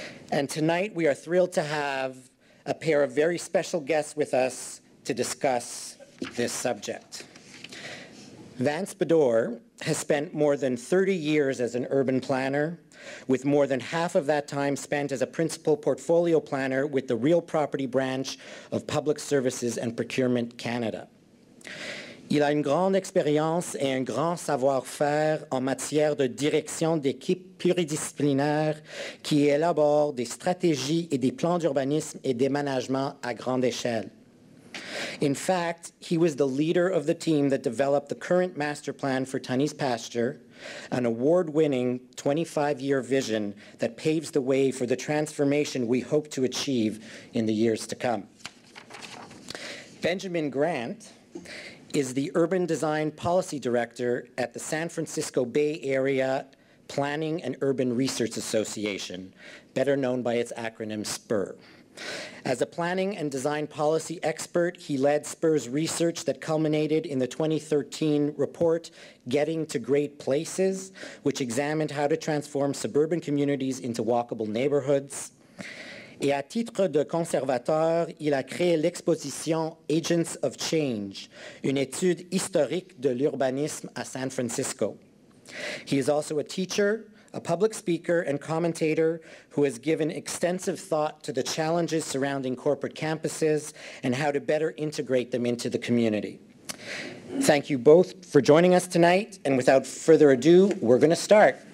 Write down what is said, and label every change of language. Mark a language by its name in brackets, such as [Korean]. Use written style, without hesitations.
[English] And tonight, we are thrilled to have a pair of very special guests with us to discuss this subject. Vance Bedore has spent more than 30 years as an urban planner, with more than half of that time spent as a principal portfolio planner with the Real Property Branch of Public Services and Procurement Canada. [French] Il a une grande expérience et un grand savoir-faire en matière de direction d'équipes pluridisciplinaires qui élaborent des stratégies et des plans d'urbanisme et des managements à grande échelle. [English] In fact, he was the leader of the team that developed the current master plan for Tunney's Pasture, an award-winning 25-year vision that paves the way for the transformation we hope to achieve in the years to come. Benjamin Grant is the Urban Design Policy Director at the San Francisco Bay Area Planning and Urban Research Association, better known by its acronym SPUR. As a planning and design policy expert, he led SPUR's research that culminated in the 2013 report, Getting to Great Places, which examined how to transform suburban communities into walkable neighborhoods. [French] Et à titre de conservateur, il a créé l'exposition Agents of Change, une étude historique de l'urbanisme à San Francisco. [English] He is also a teacher, a public speaker and commentator who has given extensive thought to the challenges surrounding corporate campuses and how to better integrate them into the community. Thank you both for joining us tonight, and without further ado, we're going to start.